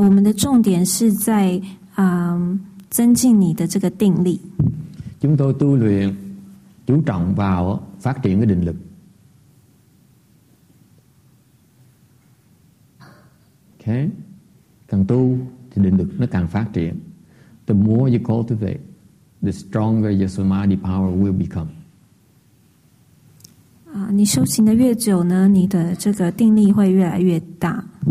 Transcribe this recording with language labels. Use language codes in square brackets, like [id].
[zh] 我们的重点是在 增进你的这个定力. [vi] Chúng tôi tu luyện chú trọng vào phát triển cái định lực. Okay. Càng tu thì định lực nó càng phát triển. [en] The more you cultivate, the stronger your samadhi power will become. [zh] 你修行的越久呢，你的这个定力会越来越大。